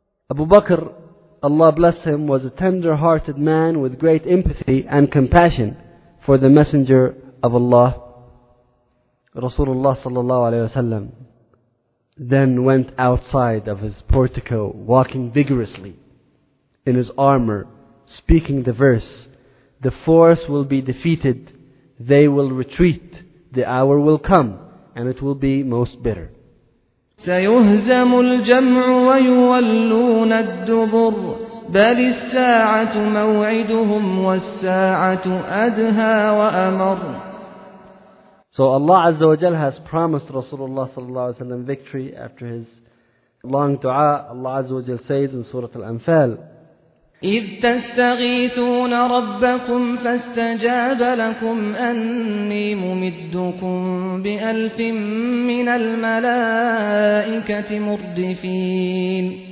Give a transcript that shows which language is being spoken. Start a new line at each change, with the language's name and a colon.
English: Abu Bakr, Allah bless him, was a tender-hearted man with great empathy and compassion for the Messenger of Allah, Rasulullah sallallahu alayhi wa sallam, then went outside of his portico, walking vigorously in his armor, speaking the verse, "The force will be defeated, they will retreat, the hour will come, and it will be most bitter."
Arabic: سيهزم الجمع ويولون الدبر بل الساعة موعدهم والساعة أدهى وأمر.
English: So Allah Azza wa Jal has promised Rasulullah sallallahu alayhi wa sallam victory after his long dua. Allah Azza wa Jal says in Surah Al-Anfal,
Arabic: إِذْ تَسْتَغِيثُونَ رَبَّكُمْ فَاسْتَجَابَ لَكُمْ أَنِّي مُمِدُّكُمْ بِأَلْفٍ مِّنَ الْمَلَائِكَةِ مُرْدِفِينَ.